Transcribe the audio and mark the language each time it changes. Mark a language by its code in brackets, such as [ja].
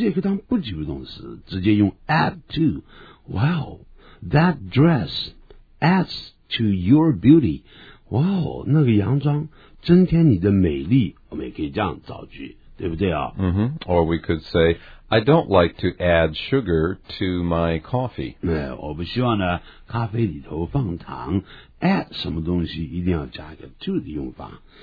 [zh] 它可以当及物动词,其实也可以当不及物动词,直接用 [en] add to. Wow, that dress adds to your beauty. [zh] Wow, 那个洋装增添你的美丽,我们也可以这样造句,对不对啊? [en] Mm-hmm. Or we could say, I don't like to add sugar to my coffee. [zh] 我不希望呢,咖啡里头放糖, add什么东西一定要加一个to的用法。